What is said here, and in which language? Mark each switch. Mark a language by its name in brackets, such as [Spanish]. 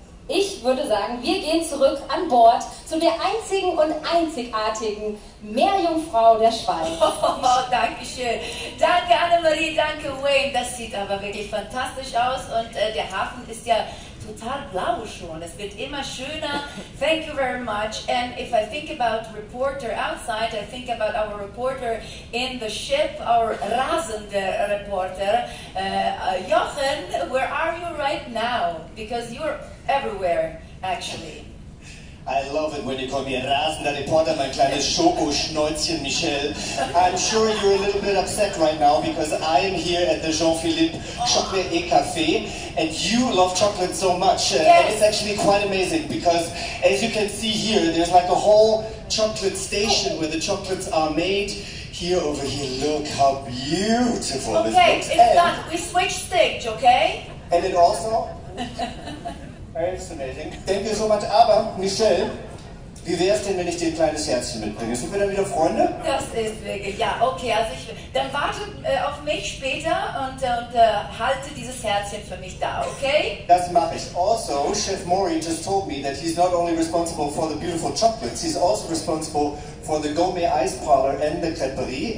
[German] Ich würde sagen, wir gehen zurück an Bord zu der einzigen und einzigartigen Meerjungfrau der Schweiz. Oh, danke schön. Danke Annemarie, danke Wayne. Das sieht aber wirklich fantastisch aus und der Hafen ist ja total blau schon. Es wird immer schöner. [English] Thank you very much. And if I think about reporter outside, I think about our reporter in the ship, our [German] rasende [English] reporter. Jochen, where are you right now? Because you're everywhere, actually. I love it when you call me a [German] rasender [English] reporter, [German] my kleines Schoko-Schnäuzchen, [English] Michelle. I'm sure you're a little bit upset right now because I am here at the Jean-Philippe Chocolat et Café and you love chocolate so much. Yes. And it's actually quite amazing because as you can see here, there's like a whole chocolate station where the chocolates are made. Here, over here, look how beautiful this looks. Okay, it's done. We switched stage, okay? And it also... [German] Denk mir [English] so much, [German] aber Michelle, wie wäre es denn, wenn ich dir ein kleines Herzchen mitbringe? Sind wir dann wieder Freunde? Das ist wirklich, ja, okay. Also ich, dann warte auf mich später und halte dieses Herzchen für mich da, okay? Das mache ich. [English] Also, Chef Maury just told me that he's not only responsible for the beautiful chocolates, he's also responsible for the gourmet ice parlor and the crêperie.